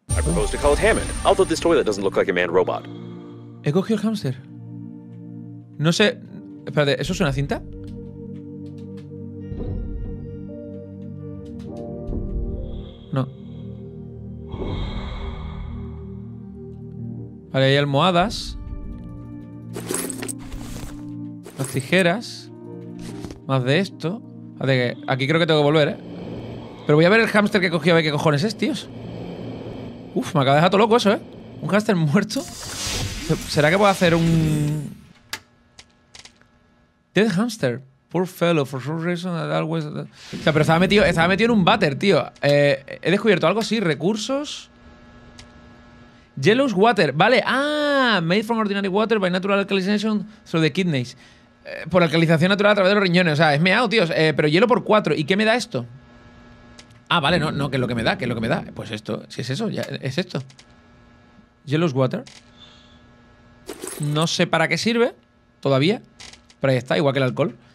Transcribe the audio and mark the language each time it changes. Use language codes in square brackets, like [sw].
[en] I propose to call it Hammond, although this toilet doesn't look like a manned robot. [es] He cogido el hámster. No sé. Espérate, ¿eso es una cinta? No. Vale, hay almohadas. Las tijeras. Más de esto. Vale, aquí creo que tengo que volver, ¿eh? Pero voy a ver el hámster que he cogido, a ver qué cojones es, tíos. Uf, me acaba de dejar todo loco eso, ¿eh? ¿Un hámster muerto? ¿Será que puedo hacer un...? [en] Dead hamster. Poor fellow, for some reason that always... [es] O sea, pero estaba metido en un váter, tío. He descubierto algo, sí. Recursos. [en] Yellow's water. [es] Vale. ¡Ah! [en] Made from ordinary water by natural alkalization through the kidneys. [es] Por alcalización natural a través de los riñones. O sea, es meado, tíos. Pero hielo por 4. ¿Y qué me da esto? Ah, vale. No, que es lo que me da. Pues esto. Si es eso, ya es esto. [en] Yellow's water. [es] No sé para qué sirve todavía, pero ahí está, igual que el alcohol.